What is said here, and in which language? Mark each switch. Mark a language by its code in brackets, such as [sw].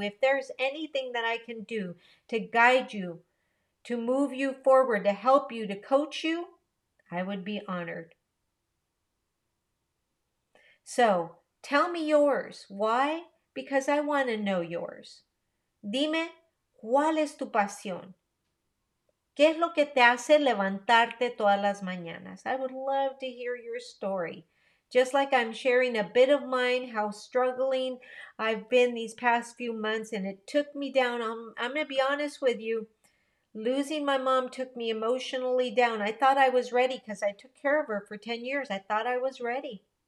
[en] If there's anything that I can do to guide you, to move you forward, to help you, to coach you, I would be honored. So tell me yours. Why? Because I want to know yours. [es] Dime, ¿cuál es tu pasión? ¿Qué es lo que te hace levantarte todas las mañanas? [en] I would love to hear your story. Just like I'm sharing a bit of mine, how struggling I've been these past few months, and it took me down. I'm going to be honest with you. Losing my mom took me emotionally down. I thought I was ready because I took care of her for 10 years. I thought I was ready.